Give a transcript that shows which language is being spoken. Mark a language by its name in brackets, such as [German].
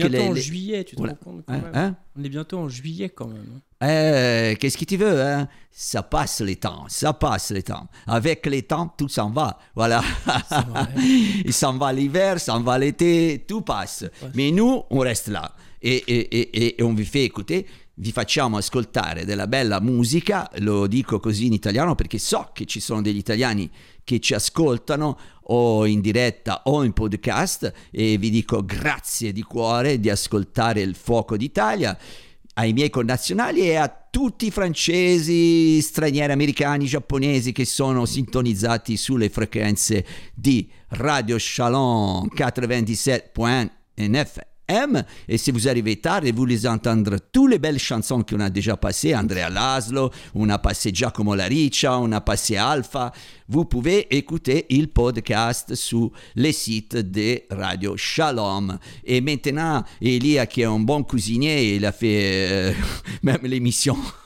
[French] On est bientôt en juillet, tu te rends compte quand même. On est bientôt en juillet quand même. Qu'est-ce que tu veux, hein? Ça passe les temps, ça passe les temps. Avec les temps, tout s'en va, voilà. Il s'en va l'hiver, s'en va l'été, tout passe. Ouais. Mais nous, on reste là et on vous fait écouter. [Italian] Vi facciamo ascoltare della bella musica, lo dico così in italiano perché so che ci sono degli italiani che ci ascoltano o in diretta o in podcast, e vi dico grazie di cuore di ascoltare il Fuoco d'Italia ai miei connazionali e a tutti i francesi, stranieri, americani, giapponesi che sono sintonizzati sulle frequenze di Radio Shalom 97.9 FM. [French] Et si vous arrivez tard et vous les entendrez, toutes les belles chansons qu'on a déjà passées, Andrea Laszlo, on a passé Giacomo Laricia, on a passé Alpha, vous pouvez écouter le podcast sur les sites de Radio Shalom. Et maintenant, Elia, qui est un bon cuisinier, il a fait même l'émission.